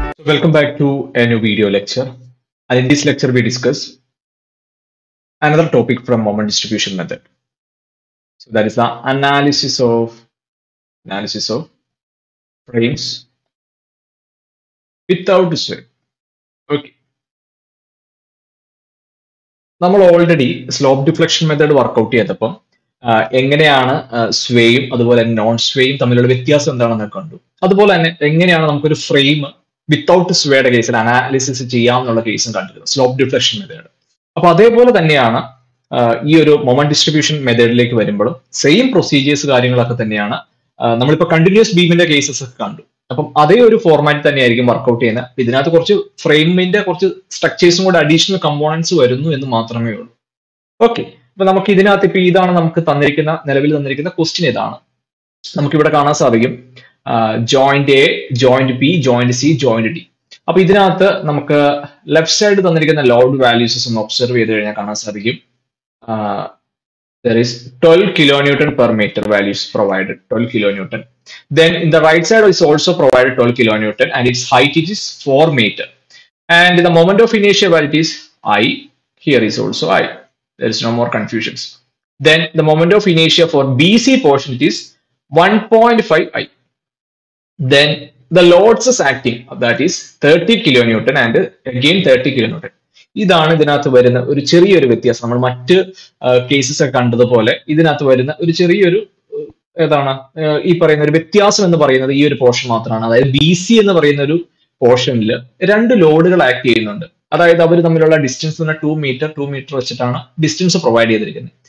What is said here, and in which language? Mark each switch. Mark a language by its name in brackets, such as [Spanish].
[English] Welcome back to a new video lecture. And in this lecture, we discuss another topic from moment distribution method. So that is the analysis of frames without sway. Okay. [Malayalam] നമ്മൾ already slope deflection method workout ചെയ്തപ്പം എങ്ങനെയാണ് സ്വേയും അതുപോലെ non സ്വേയും തമ്മിലുള്ള വ്യത്യാസം എന്താണെന്നൊക്കെ കണ്ടു. അതുപോലെ തന്നെ എങ്ങനെയാണ് നമുക്കൊരു ഫ്രെയിം വിത്തൗട്ട് സ്വേയുടെ കേസിൽ അനാലിസിസ് ചെയ്യാമെന്നുള്ള കേസും കണ്ടിരുന്നത്, സ്ലോപ്പ് ഡിഫ്ലക്ഷൻ മെത്തേഡ്. അപ്പൊ അതേപോലെ തന്നെയാണ് ഈ ഒരു മൊമെന്റ് ഡിസ്ട്രിബ്യൂഷൻ മെത്തേഡിലേക്ക് വരുമ്പോഴും സെയിം പ്രൊസീജിയേഴ്സ് കാര്യങ്ങളൊക്കെ തന്നെയാണ്. നമ്മളിപ്പോ കണ്ടിന്യൂസ് ബീമിന്റെ കേസസ് ഒക്കെ കണ്ടു. അപ്പം അതേ ഒരു ഫോർമാറ്റ് തന്നെയായിരിക്കും വർക്ക്ഔട്ട് ചെയ്യുന്നത്. ഇതിനകത്ത് കുറച്ച് ഫ്രെയിമിന്റെ കുറച്ച് സ്ട്രക്ചേഴ്സും കൂടെ അഡീഷണൽ കമ്പോണൻസ് വരുന്നു എന്ന് മാത്രമേ ഉള്ളൂ. ഓക്കെ, അപ്പൊ നമുക്ക് ഇതിനകത്ത് ഇപ്പൊ ഇതാണ് നമുക്ക് തന്നിരിക്കുന്ന നിലവിൽ തന്നിരിക്കുന്ന ക്വസ്റ്റ്യൻ. ഇതാണ് നമുക്കിവിടെ കാണാൻ സാധിക്കും, joint A, joint B, joint C, joint D. അപ്പൊ ഇതിനകത്ത് നമുക്ക് ലെഫ്റ്റ് സൈഡ് തന്നിരിക്കുന്ന ലോഡ് വാല്യൂസസ് ഒന്ന് ഒബ്സർവ് ചെയ്ത് കഴിഞ്ഞാൽ കാണാൻ സാധിക്കും, [English] there is 12 kilonewton [Malayalam] per meter values provided, 12 kilonewton. [English] Then in the right side is also provided 12 kilonewton and its height is 4 meter. And the moment of inertia value is I, here is also I, there is no more confusions. Then the moment of inertia for BC portion it is 1.5 I. Then the loads is acting, that is 30 kilonewton and again 30 kilonewton. [Malayalam] ഇതാണ് ഇതിനകത്ത് വരുന്ന ഒരു ചെറിയൊരു വ്യത്യാസം. നമ്മൾ മറ്റ് cases ഒക്കെ കണ്ടതുപോലെ ഇതിനകത്ത് വരുന്ന ഒരു ചെറിയൊരു ഏതാണ് ഈ പറയുന്ന ഒരു വ്യത്യാസം എന്ന് പറയുന്നത് ഈ ഒരു പോർഷൻ മാത്രമാണ്. അതായത് ബി സി എന്ന് പറയുന്ന ഒരു പോർഷനിൽ രണ്ട് ലോഡുകൾ ആക്ട് ചെയ്യുന്നുണ്ട്. അതായത് അവർ തമ്മിലുള്ള ഡിസ്റ്റൻസ് തന്നെ 2 മീറ്റർ 2 മീറ്റർ വെച്ചിട്ടാണ് ഡിസ്റ്റൻസ് പ്രൊവൈഡ് ചെയ്തിരിക്കുന്നത്.